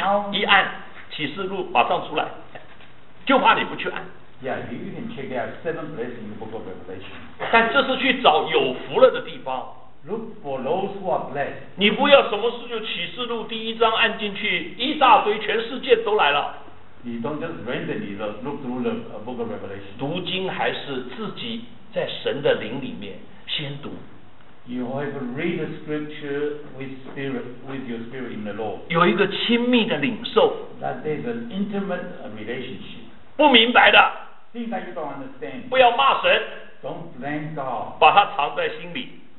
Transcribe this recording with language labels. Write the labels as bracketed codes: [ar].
[zh] 一按启示录马上出来，就怕你不去按。 [en] Yeah, you can check out seven places in the Book of Revelation. [zh] 但这是去找有福了的地方。 [en] Look for those who are blessed. [zh] 你不要什么事就启示录第一章按进去，一大堆全世界都来了。 [en] You don't just randomly look through the Book of Revelation. [zh] 读经还是自己在神的灵里面先读。 [en] You have to read the scripture with spirit, with your spirit in the Lord. [zh] 有一个亲密的领受。 [en] That there's an intimate relationship. [zh] 不明白的。 [en] Things that you don't understand. [zh] 不要骂神。 [en] Don't blame God. [zh] 把它藏在心里。